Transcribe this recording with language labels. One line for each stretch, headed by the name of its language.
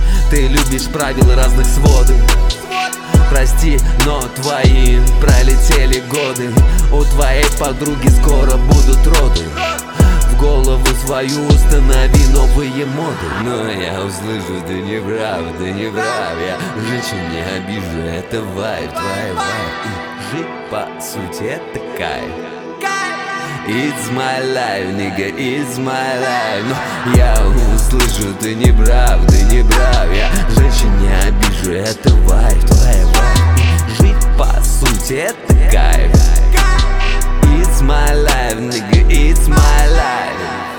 Russian: Ты любишь правила разных сводов. Прости, но твои пролетели годы. У твоей подруги скоро будут роды. В голову свою установи новые моды. Но я услышу, ты не прав, ты не прав. Я женщин не обижу, это вайб, твоя вайб. И жить по сути это кайф.
English: It's my life, nigga, it's my life.
Russian: Но я услышу, ты не прав, ты не прав. Я женщин не обижу, это вайб, твоя вайб. Жить по сути это кайф.
English: It's my life, nigga, it's my life.